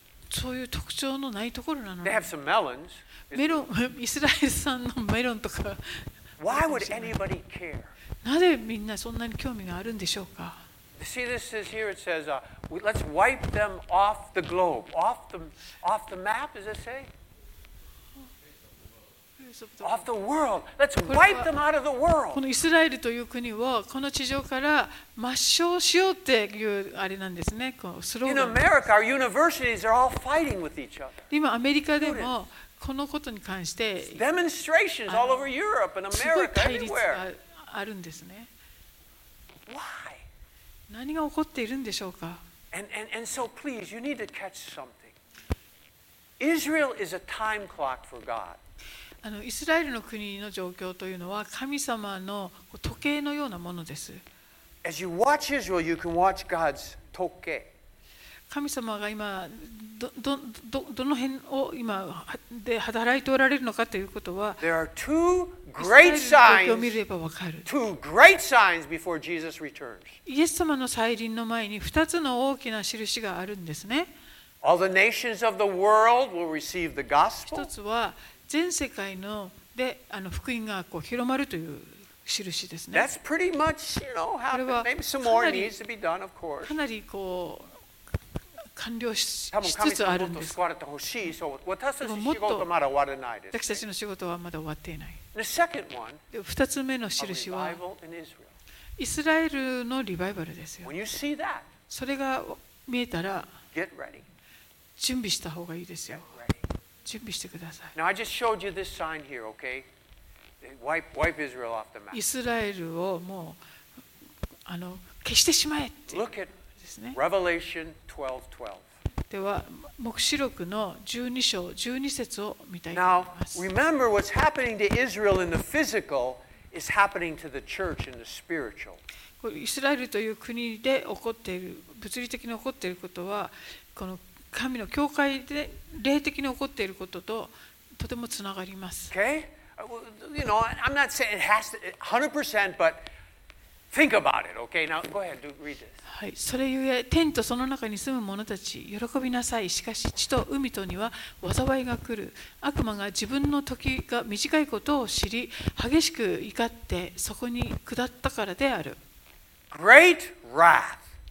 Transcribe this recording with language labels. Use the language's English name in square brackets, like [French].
[Japanese] そういう特徴のないところなの。 [English] They have some melons. [Japanese] メロン、イスラエル産のメロンとか。 [English] Why would anybody care? [Japanese] なぜみんなそんなに興味があるんでしょうか。 [English] See, this is here. It says, let's wipe them off the globe, off the map. Does it say? Off the world. Let's wipe them out of the world. [Japanese] このイスラエルという国をこの地上から抹消しようっていうあれなんですね。こうスローガン。 [English] In America, our universities are all fighting with each other. [Japanese] 今アメリカでも。このことに関して、 [English] demonstrations all over Europe and America, everywhere. [Japanese] あるんですね。 [English] Why? [Japanese] 何が起こっているんでしょうか。 [English] And so please, you need to catch something. Israel is a time clock for God. [Japanese] イスラエルの国の状況というのは神様の時計のようなものです。 [English] As you watch Israel, you can watch God's [Japanese] 時計。神様が今 どの辺を今で働いておられるのかということは、 [English] there are two great signs, [Japanese] 状況を見ればわかる。 [English] two great signs before Jesus returns. [Japanese] イエス様の再臨の前に2つの大きな印があるんですね。 [English] All the nations of the world will receive the gospel. [Japanese] 一つは全世界のであの福音がこう広まるという印ですね。 [English] That's pretty much, you know, happened. Maybe some more needs to be done, of course. [Japanese] かなりこう完了しつつあるんです。多分神様もっと救われてほしい。そう、私たちの仕事はまだ終わらないです、ね。私たちの仕事はまだ終わっていない。 [English] The second one. [Japanese] 二つ目の印は、イスラエルのリバイバルですよ。 [English] When you see that, [Japanese] それが見えたら、 [English] get ready. [Japanese] 準備した方がいいですよ。準備してください。 [English] Now I just showed you this sign here, okay? Wipe Israel off the map. [Japanese] イスラエルをもうあの消してしまえって、ね。 [English] Look at Revelation 12:12. [Japanese] では黙示録の12章12節を見たいと思います。 [English] Now remember what's happening to Israel in the physical is happening to the church in the spiritual. [Japanese] これイスラエルという国で起こっている物理的に起こっていることはこの神の教会で霊的に起こっていることととてもつながります。 [English] Okay, you know, I'm not saying it has to 100%, but think about it. Okay, now go ahead, read this. [Japanese] はい、それゆえ天とその中に住む者たち喜びなさい。しかし地と海とには災いが来る。悪魔が自分の時が短いことを知り、激しく怒ってそこに下ったからである。 [English] Great wrath.